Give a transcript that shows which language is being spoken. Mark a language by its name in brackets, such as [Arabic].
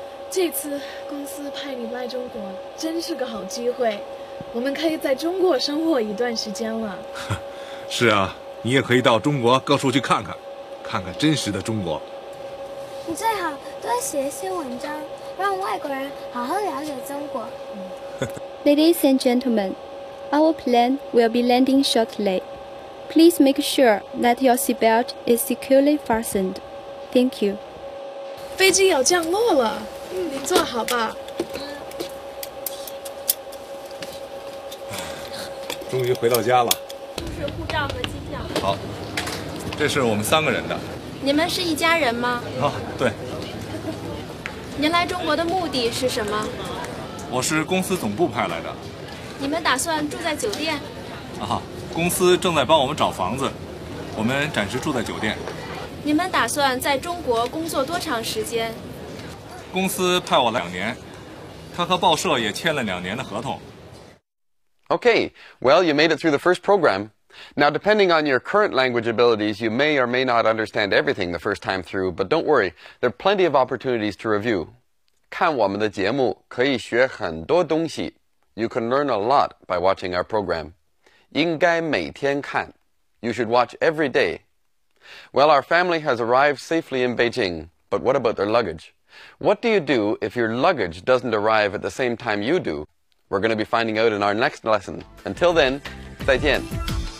[Chinese] 这次公司派你来中国，真是个好机会，我们可以在中国生活一段时间了。是啊，你也可以到中国各处去看看，看看真实的中国。你最好多写一些文章。让外国人好好了解中国。 [English] Ladies and gentlemen, our plane will be landing shortly. Please make sure that your seatbelt is securely fastened. Thank you. [Chinese] 飞机要降落了，您坐好吧。终于回到家了。这是护照和机票。好，这是我们三个人的。你们是一家人吗？啊，对。您来中国的目的是什么？我是公司总部派来的。你们打算住在酒店？啊，公司正在帮我们找房子，我们暂时住在酒店。你们打算在中国工作多长时间？公司派我来两年，他和报社也签了两年的合同。 [English] Okay, well, you made it through the first program. Now, depending on your current language abilities, you may or may not understand everything the first time through, but don't worry, there are plenty of opportunities to review. [Chinese] 看我们的节目可以学很多东西。 [English] You can learn a lot by watching our program. [Chinese] 应该每天看。 [English] You should watch every day. Well, our family has arrived safely in Beijing, but what about their luggage? What do you do if your luggage doesn't arrive at the same time you do? We're going to be finding out in our next lesson. Until then, [Chinese] 再见。